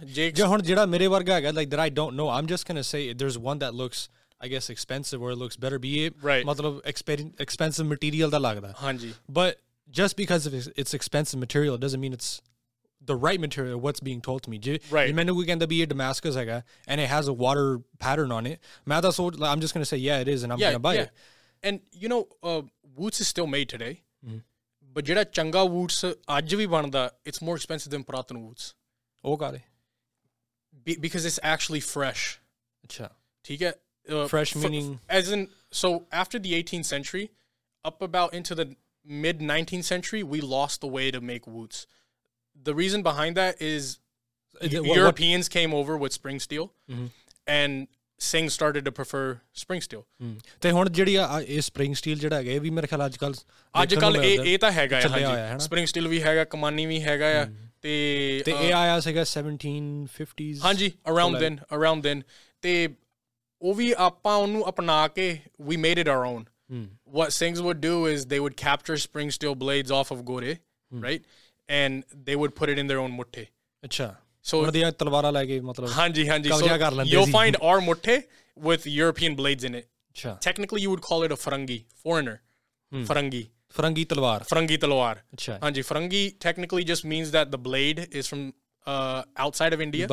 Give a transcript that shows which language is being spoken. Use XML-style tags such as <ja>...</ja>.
<pa>ਜੇ ਹੁਣ ਜਿਹੜਾ ਮੇਰੇ ਵਰਗਾ ਹੈਗਾ,</pa> <en>like that I don't know, um just can say there is one that looks I guess expensive or looks better be it right,</en> <pa>ਮਤਲਬ ਐਕਸਪੈਂਸਿਵ ਮਟੀਰੀਅਲ ਦਾ ਲੱਗਦਾ. ਹਾਂਜੀ,</pa> <en>But just because if it's expensive material doesn't mean it's the right material, what's being told to me. Right.</en> <pa>Menu ke andar bhi ye Damascus hai ga,</pa> <en>and it has a water pattern on it.</en> <pa>Main tha soch,</pa> <en>I'm just going to say, yeah, it is, and I'm going to buy it. And, you know, woots is still made today. But</en> <pa>jehda changa woots aaj vi banda,</pa> <en>it's more expensive than Puratan woots. Oh, got it. Because it's actually fresh.</en> <pa>Achha. Theek hai?</pa> <en>Fresh meaning? So after the 18th century, up about into the mid-19th century, we lost the way to make woots. The reason behind that is Europeans came over with spring steel, and Singh started to prefer spring steel.</en> <pa>ਤੇ ਹੁਣ ਜਿਹੜੀ ਆ ਇਹ spring steel ਜਿਹੜਾ ਹੈਗਾ, ਇਹ ਵੀ ਮੇਰੇ ਖਿਆਲ ਅੱਜ ਕੱਲ੍ਹ ਇਹ ਤਾਂ ਹੈਗਾ, ਸਪਰਿੰਗ ਸਟੀਲ ਵੀ ਹੈਗਾ, ਕਮਾਨੀ ਵੀ ਹੈਗਾ ਆ. ਤੇ ਇਹ ਆਇਆ ਸੀਗਾ 1750s. ਹਾਂਜੀ, ਅਰਾਊਂਡ ਦੈਨ. ਤੇ ਉਹ ਵੀ ਆਪਾਂ ਉਹਨੂੰ ਅਪਣਾ ਕੇ ਵੀ</pa> <en>Made it around. What Singhs would do is they would capture spring steel blades off off ਗੋਰੇ, right, and they would put it in their own mutthe.</en> <pa>Achha. So nadiya talwara leke matlab</pa> <en>haan ji so you'll find our mutthe with European blades in it.</en> <pa>Achha.</pa> <en>Technically you would call it a farangi, foreigner.</en> <pa>Farangi talwar. Achha.</pa> <en>Haan ji, farangi technically just means that the blade is from outside of India.</en>